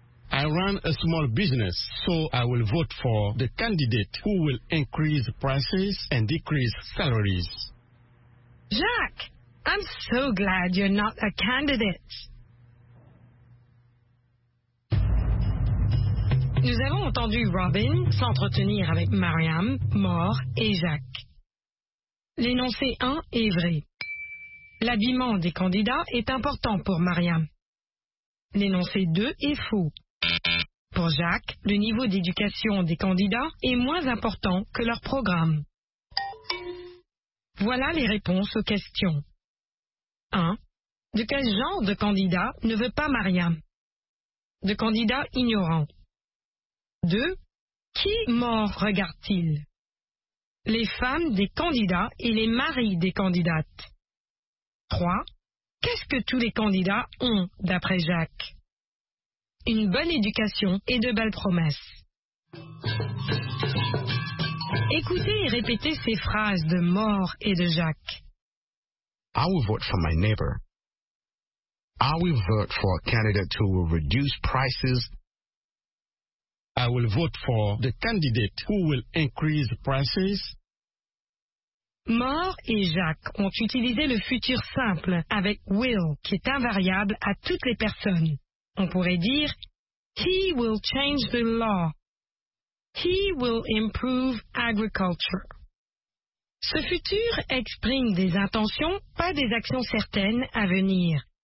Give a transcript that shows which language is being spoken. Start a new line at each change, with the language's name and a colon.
English: I run a small business, so I will vote for the candidate who will increase prices and decrease salaries. Jacques, I'm so glad you're not a candidate.
French: Nous avons entendu Robin s'entretenir avec Mariam, Maure et Jacques. L'énoncé 1 est vrai. L'habillement des candidats est important pour Mariam. L'énoncé 2 est faux. Pour Jacques, le niveau d'éducation des candidats est moins important que leur programme. Voilà les réponses aux questions. 1. De quel genre de candidat ne veut pas Mariam? De candidat ignorant. 2. Qui mort regarde-t-il? Les femmes des candidats et les maris des candidates. 3. Qu'est-ce que tous les candidats ont, d'après Jacques? Une bonne éducation et de belles promesses. Écoutez et répétez ces phrases de mort et de Jacques.
English: I will vote for my neighbor. I will vote for a candidate who will reduce prices. I will vote for the candidate who will increase prices.
French: Mort et Jacques ont utilisé le futur simple avec will qui est invariable à toutes les personnes. On pourrait dire
English: he will change the law. He will improve agriculture.
French: Ce futur exprime des intentions, pas des actions certaines à venir.